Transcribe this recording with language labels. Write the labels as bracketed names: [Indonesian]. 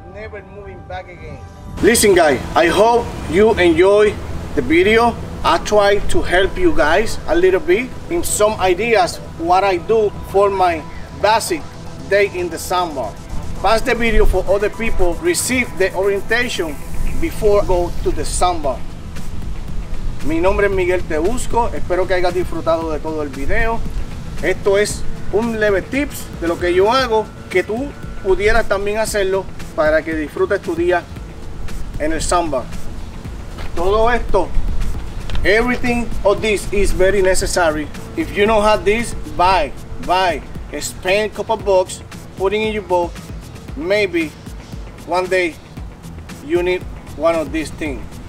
[English] Never moving back again. Listen, guys, I hope you enjoy the video. I try to help you guys a little bit in some ideas what I do for my basic day in the sandbar. Pass the video for other people, receive the orientation before go to the sandbar. [Spanish] Mi nombre es Miguel Tebusco, espero que hayas disfrutado de todo el video. Esto es un leve tips de lo que yo hago, que tú pudieras también hacerlo para que disfrutes tu día en el sandbar. Todo esto, [English] everything of this is very necessary. If you don't have this, buy. Spend a couple bucks, put it in your boat. Maybe one day you need one of these things.